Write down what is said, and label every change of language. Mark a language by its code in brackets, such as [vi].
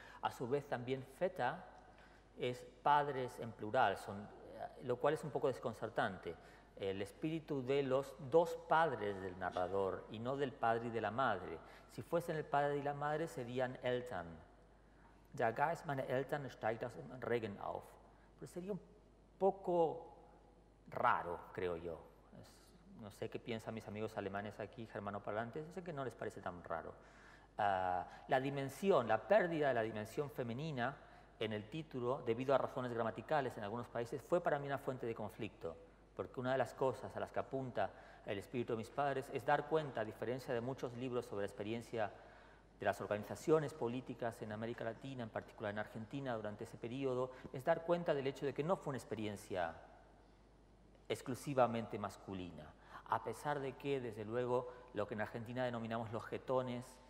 [es] A su vez, también Feta es padres en plural, lo cual es un poco desconcertante. El espíritu de los dos padres del narrador y no del padre y de la madre. Si fuesen el padre y la madre, serían Eltern. [de] Der Geist meiner Eltern steigt aus dem Regen auf. [es] Pero sería un poco raro, creo yo. No sé qué piensan mis amigos alemanes aquí, germanoparlantes, sé que no les parece tan raro. La pérdida de la dimensión femenina en el título, debido a razones gramaticales en algunos países, fue para mí una fuente de conflicto, porque una de las cosas a las que apunta el espíritu de mis padres es dar cuenta, a diferencia de muchos libros sobre la experiencia de las organizaciones políticas en América Latina, en particular en Argentina durante ese periodo, es dar cuenta del hecho de que no fue una experiencia exclusivamente masculina. A pesar de que, desde luego, lo que en Argentina denominamos los jetones,